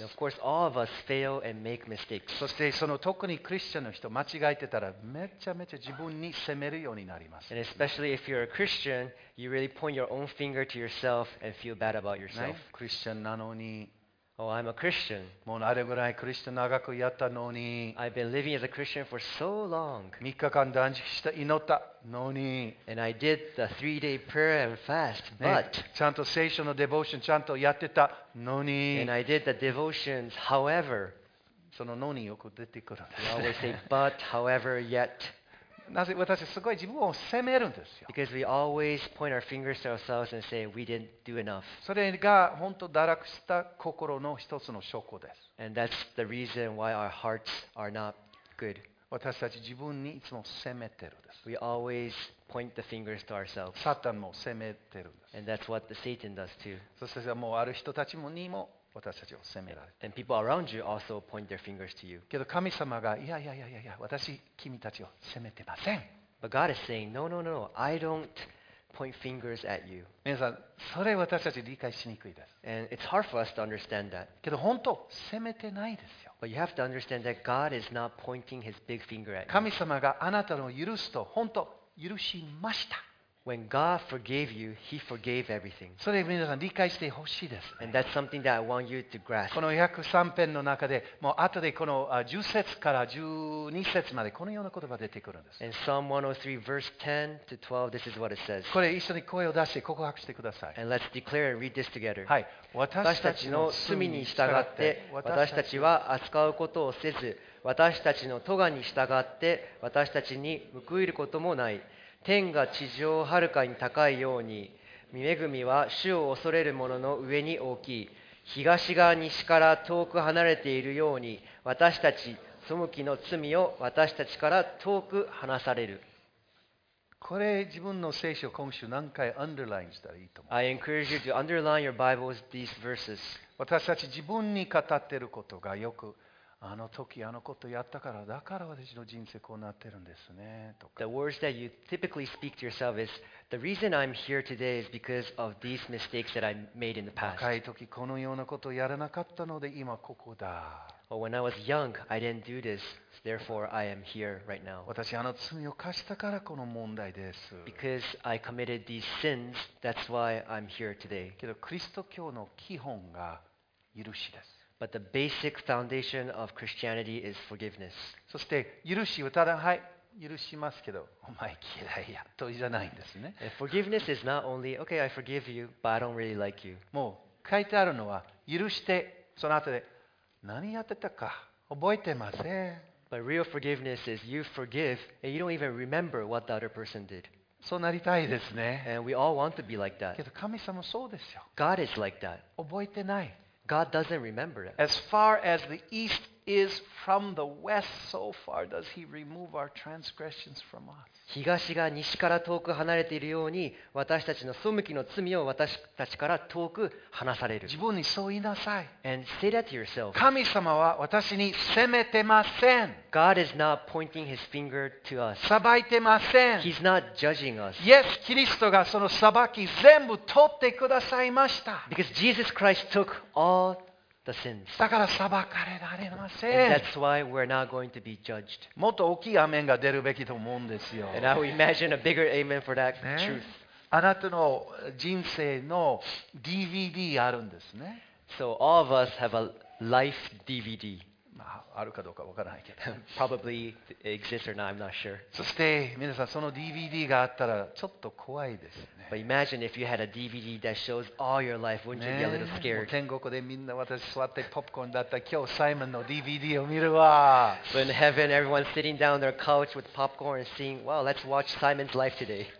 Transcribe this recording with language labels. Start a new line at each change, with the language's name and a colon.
English: And of course, all of us fail and make mistakes.
Japanese: そしてその特にクリスチャンの人間違えてたらめちゃめちゃ自分に責めるようになります。
English: And especially if you're a Christian, you really point your own finger to yourself and feel bad about yourself.
Japanese: クリスチャンなのに。
English: Oh, I'm a Christian.
Japanese: もうあれぐらいクリスチャン長くやったのに。
English: I've been living as a Christian for so long.
Japanese: 3日間断食して祈ったのに。
English: And I did the three-day prayer and fast, but、
Japanese: ね、ちゃんと聖書のデボーションちゃんとやってたのに。
English: And I did the devotions, however.
Japanese: そののによく出てくるんです。
English: I always say, but, however, yet.
Japanese: なぜ私すごい自分を責めるんですよ。
English: Because we always point our fingers to ourselves and say we didn't do enough.
Japanese: それが本当堕落した心の一つの証拠です。
English: And that's the reason why our hearts are not good.
Japanese: 私たち自分にいつも責めてるんです。
English: We always point the fingers to ourselves.
Japanese: サタンも責めてるんです。
English: And that's what the Satan does too.
Japanese: そしてもうある人たちにも私たちを責められる。
English: And people around you also point their fingers to you.
Japanese: けど神様がいやいやいやいや私君たちを責めてません。
English: But God is saying, no, no, no, I don't point fingers at you.
Japanese: 皆さんそれ私たち理解しにくいです。
English: And it's hard for us to understand that.
Japanese: けど本当責めてないですよ。
English: But you have to understand that God is not pointing His big finger at you.
Japanese: 神様があなたの許すと本当許しました。
English: When God forgave you, He forgave everything.
Japanese: それ皆さん理解してほしいです、ね。
English: And that's something that I want you to grasp.
Japanese: この103編の中で、もう後でこの10節から12節までこのような言葉が出てくるんです。
English: In Psalm 103, verse 10 to 12, this is what it says.
Japanese: これ一緒に声を出して告白してください。
English: And let's declare and read this together.
Japanese: はい。私たちの罪に従って、私たちは扱うことをせず、私たちの咎に従って、私たちに報いることもない。天が地上をはるかに高いように、御恵みは主を恐れる者の上に大きい。東が西から遠く離れているように、私たち、背きの罪を私たちから遠く離される。これ自分の聖書を今週何回アンダーラインしたらいいと思う。
English: I encourage you to underline your Bibles these verses.
Japanese: 私たち自分に語っていることがよく、あの時あのことやったからだから私の人生こうなってるんですねとか。
English: The words that you typically speak to yourself is the reason I'm here today is because of these mistakes that I made in the past.
Japanese: 若い時このようなことをやらなかったので今ここだ。
English: Or when I was young, I didn't do this, therefore I am here right now.
Japanese: 私あの罪を犯したからこの問題です。
English: Because I committed these sins, that's why I'm here today.
Japanese: けどキリスト教の基本が許しです。
English: But the basic foundation of Christianity is forgiveness.
Japanese: そして許しをただはい許しますけど、お前嫌いやとじゃないんですね。
English: And forgiveness is not only okay, I forgive you, but I don't really like you.
Japanese: もう書いてあるのは許してその後で何やってたか覚えてません。
English: But real forgiveness is you forgive and you don't even remember what the other person did.
Japanese: そうなりたいですね。
English: And we all want to be like that.
Japanese: けど神様そうですよ。
English: God is like that.
Japanese: 覚えてない。
English: God doesn't remember it. As far as the east is from the west, so far does He remove our transgressions from us.
Japanese: 東が西から遠く離れているように、私たちの背きの罪を私たちから遠く離される。自分にそう言いなさい。
English: And say that to yourself.
Japanese: 神様は私に責めてません。
English: God is not pointing His finger to us.
Japanese: 裁いてません。
English: He's not judging us.
Japanese: Yes, キリストがその裁き全部取ってくださいました。
English: Because Jesus Christ took all the sins.
Japanese: だから裁かれられません。
English: And that's why we're not going to be judged.
Japanese: もっと大きいアメンが出るべきと思うんですよ。
English: And I would imagine a bigger amen for that truth.
Japanese: あなたの人生の DVD あるんですね。
English: So all of us have a life DVD.
Japanese: あるかどうかわからないけど
English: Probably exists or not, I'm not sure.
Japanese: そして皆さんその DVD があったらちょっと怖いですね。
English: But imagine if you had a DVD that shows all your life, wouldn't you be a little scared?
Japanese: 天国でみんな私座ってポップコーンだった今日サイモンの DVD を見るわ。
English: But in heaven, everyone's sitting down their couch with popcorn and seeing, wow, let's watch Simon's life today.